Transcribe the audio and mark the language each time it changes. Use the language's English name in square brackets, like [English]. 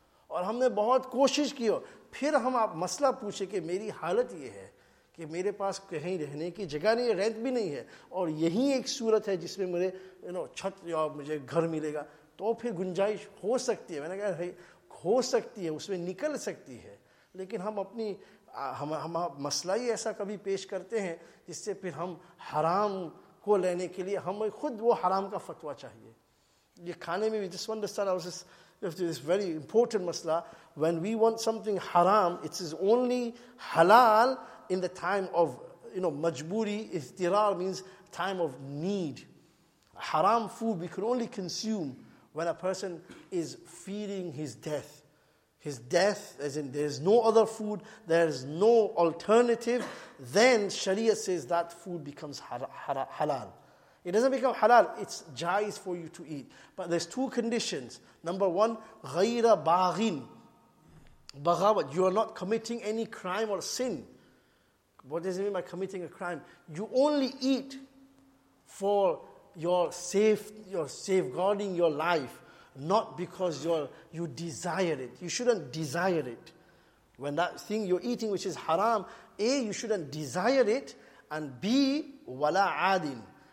[Hindi] और हमने बहुत कोशिश की हो, फिर हम आप मसला पूछे कि मेरी हालत ये है कि मेरे पास कहीं रहने की जगह नहीं है, रेंट भी नहीं है, और यही एक सूरत है जिसमें मुझे यू नो छत या मुझे घर मिलेगा, तो फिर गुंजाइश हो सकती है. मैंने कहा भाई हो सकती है, उसमें निकल सकती है. लेकिन हम अपनी हम मसला ही ऐसा कभी पेश करते हैं जिससे फिर हम हराम को लेने के लिए हमें खुद वो हराम का फतवा चाहिए. ये खाने में भी जिसमें [English] this very important masla, when we want something haram, it is only halal in the time of, you know, majburi, ihtirar means time of need. Haram food we can only consume when a person is fearing his death. His death, as in there is no other food, there is no alternative, then Sharia says that food becomes halal. It doesn't become halal, it's jais for you to eat. But there's two conditions. Number one, [Arabic] غَيْرَ بَاغِن بَغَوَد. [English] You are not committing any crime or sin. What does it mean by committing a crime? You only eat for your safeguarding your life, not because you desire it. You shouldn't desire it. When that thing you're eating which is haram, A, you shouldn't desire it, and B, [Arabic] وَلَا عَادٍ.